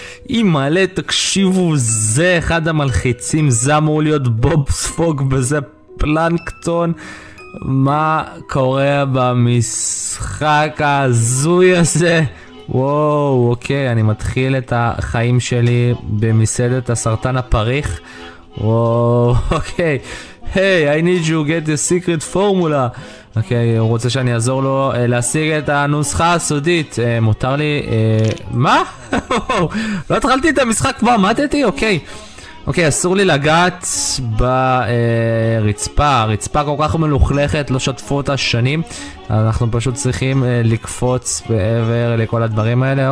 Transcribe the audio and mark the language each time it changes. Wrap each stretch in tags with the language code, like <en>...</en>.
<he>אימאלה, תקשיבו, זה אחד המלחיצים, זה אמור להיות בוב ספוג וזה פלנקטון. מה קורה במשחק הזוי הזה? וואו, אוקיי, אני מתחיל את החיים שלי במסעדת הסרטן הפריך. וואו, אוקיי.</he> <en>Hey, I need you to get the secret formula.</en> <he>אוקיי, הוא רוצה שאני אעזור לו להשיג את הנוסחה הסודית. מותר לי... מה? לא התחלתי את המשחק, כבר עמדתי? אוקיי. אוקיי, אסור לי לגעת ברצפה. הרצפה כל כך מלוכלכת, לא שטפו אותה שנים. אנחנו פשוט צריכים לקפוץ בעבר לכל הדברים האלה.</he>